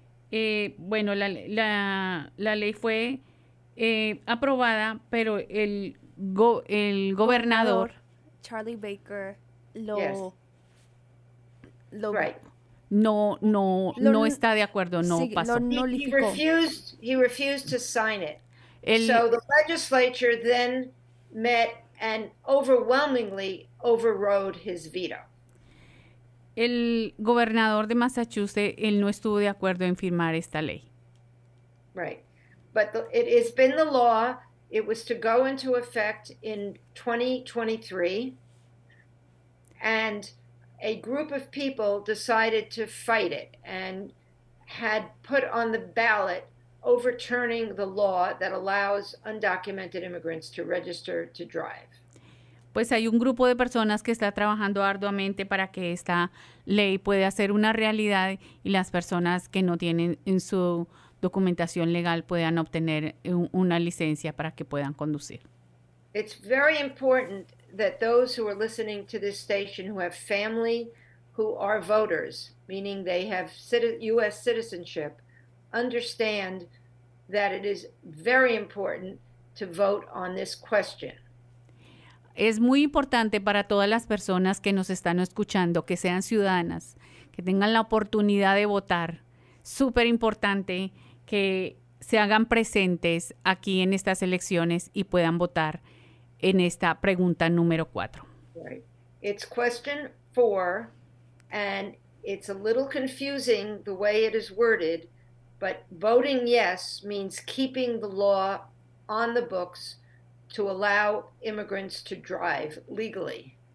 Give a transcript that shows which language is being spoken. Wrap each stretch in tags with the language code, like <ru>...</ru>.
<es>Bueno, la ley fue aprobada, pero el gobernador Charlie Baker lo,</es> <en>yes.</en> <es>lo</es> <en>right.</en> <es>no está de acuerdo, no sí, pasó.</es> <en>He refused to sign it. So the legislature then met and overwhelmingly overrode his veto.</en> <es>El gobernador de Massachusetts, él no estuvo de acuerdo en firmar esta ley.</es> <en>Right. But it has been the law. It was to go into effect in 2023. And a group of people decided to fight it and had put on the ballot overturning the law that allows undocumented immigrants to register to drive.</en> <es>Pues hay un grupo de personas que está trabajando arduamente para que esta ley pueda ser una realidad y las personas que no tienen en su documentación legal puedan obtener una licencia para que puedan conducir.</es> <en>It's very important that those who are listening to this station who have family who are voters, meaning they have U.S. citizenship, understand that it is very important to vote on this question.</en> <es>Es muy importante para todas las personas que nos están escuchando, que sean ciudadanas, que tengan la oportunidad de votar. Súper importante que se hagan presentes aquí en estas elecciones y puedan votar en esta pregunta número 4.</es> <en>It's question 4, and it's a little confusing the way it is worded, but voting yes means keeping the law on the books to allow immigrants to drive legally.</en>